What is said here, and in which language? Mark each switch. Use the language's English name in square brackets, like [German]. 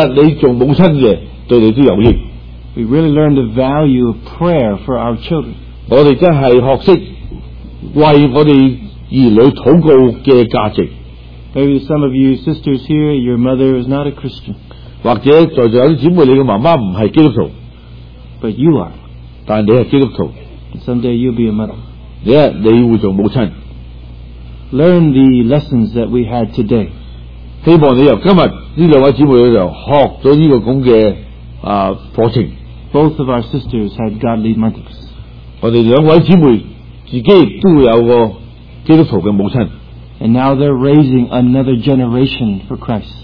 [Chinese] 这些见证我们真的相信对于我们年轻的姊妹第一你做母亲的对你都有益。 [English] We really learn the value of prayer for our children. [Chinese] 我们真的学会为我们儿女祷告的价值。 [English] Maybe some of you sisters here, your mother is not a Christian. [Chinese] 或者在座的姊妹你的妈妈不是基督徒。 [English] But you are. [Chinese] 但你是基督徒。 [English] And someday you'll be a mother. [Chinese] 你会做母亲。 [English] Learn the lessons that we had today. [Chinese] 希望你今天这两位姊妹学了这个课程。 [English] Both of our sisters had godly mothers. [Chinese] 我们两位姊妹自己都有个基督徒的母亲。 [English] And now they're raising another generation for Christ.